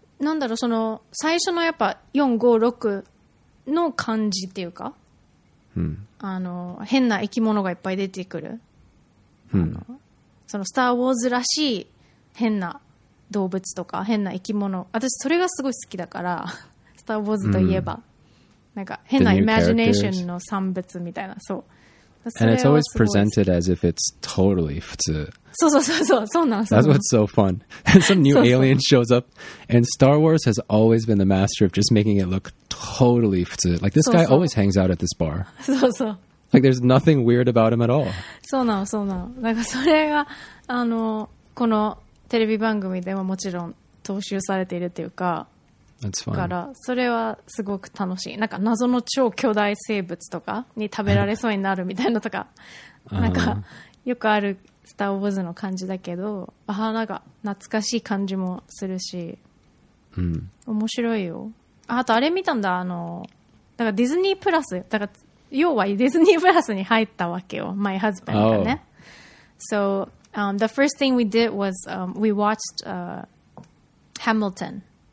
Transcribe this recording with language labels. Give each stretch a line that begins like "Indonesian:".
Japanese: なんだろう、その最初のやっぱ四五六の感じっていうか、あの変な生き物がいっぱい出てくる、あのそのスター・ウォーズらしい変な動物とか変な生き物、私それがすごい好きだから、スター・ウォーズといえばなんか変なイマジネーションの産物みたいな、そう。
English: And it's always presented as if it's totally 普通.
Japanese: そうそうそうそう、そうなんです。
English: That's what's so fun. And some new alien shows up. And Star Wars has always been the master of just making it look totally 普通. Like this guy always hangs out at this bar.
Japanese: そうそう。
English: Like there's nothing weird about him at all.
Japanese: そうなの、そうなの。なんかそれが、あの、このテレビ番組でももちろん踏襲されているっていうか。
English: That's fun.
Japanese: からそれはすごく楽しい。なんか謎の超巨大生物とかに食べられそうになるみたいなとか、なんかよくあるスター・ウォーズの感じだけど、ああなんか懐かしい感じもするし、うん、面白いよ。あとあれ見たんだ、あのだからディズニープラス、だから要はディズニープラスに入ったわけよ、
English: マイハズバンド
Japanese: がね。
English: Oh. So the first thing we did was we watched Hamilton.